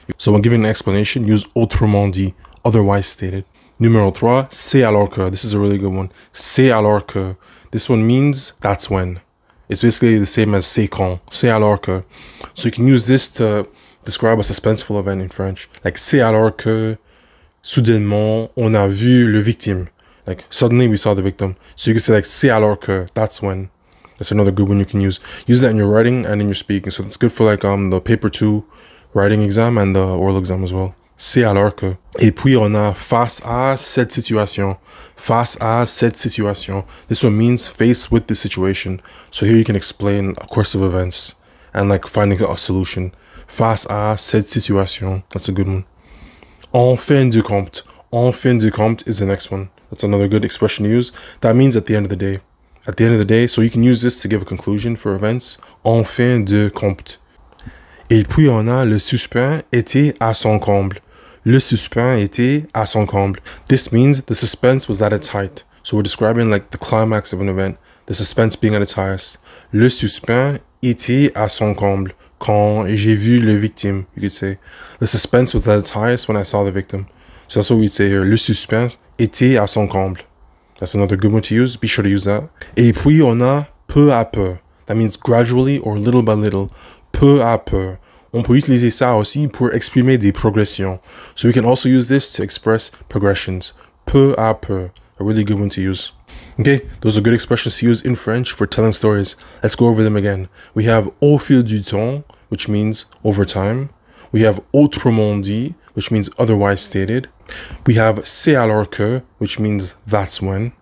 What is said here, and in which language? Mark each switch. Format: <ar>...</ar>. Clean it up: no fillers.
<en>So when giving an explanation, use</en> <fr>autrement dit,</fr> <en>otherwise stated.</en> <fr>Numéro trois, c'est alors que.</fr> <en>This is a really good one.</en> <fr>C'est alors que.</fr> <en>This one means that's when. It's basically the same as</en> <fr>c'est quand, c'est alors que.</fr> <en>So you can use this to describe a suspenseful event in French.</en> <fr>Like, c'est alors que, soudainement, on a vu le victime.</fr> <en>Like, suddenly we saw the victim. So you can say like,</en> <fr>c'est alors que,</fr> <en>that's when. That's another good one you can use. Use that in your writing and in your speaking. So it's good for like the paper 2 writing exam and the oral exam as well.</en> <fr>C'est alors que. Et puis on a face à cette situation. Face à cette situation.</fr> <en>This one means face with the situation. So here you can explain a course of events and like finding a solution.</en> <fr>Face à cette situation.</fr> <en>That's a good one.</en> <fr>En fin de compte. En fin de compte</fr> <en>is the next one. That's another good expression to use. That means at the end of the day. At the end of the day. So you can use this to give a conclusion for events.</en> <fr>En fin de compte. Et puis on a le suspens était à son comble. Le suspens était à son comble.</fr> <en>This means the suspense was at its height. So we're describing like the climax of an event. The suspense being at its highest.</en> <fr>Le suspens était à son comble. Quand j'ai vu le victime,</fr> <en>you could say. The suspense was at its highest when I saw the victim. So that's what we'd say here.</en> <fr>Le suspens était à son comble.</fr> <en>That's another good one to use. Be sure to use that.</en> <fr>Et puis on a peu à peu.</fr> <en>That means gradually or little by little.</en> <fr>Peu à peu. On peut utiliser ça aussi pour exprimer des progressions.</fr> <en>So we can also use this to express progressions.</en> <fr>Peu à peu.</fr> <en>A really good one to use. Okay, those are good expressions to use in French for telling stories. Let's go over them again. We have</en> <fr>au fil du temps,</fr> <en>which means over time. We have</en> <fr>autrement dit,</fr> <en>which means otherwise stated. We have</en> <fr>c'est alors que,</fr> <en>which means that's when.</en>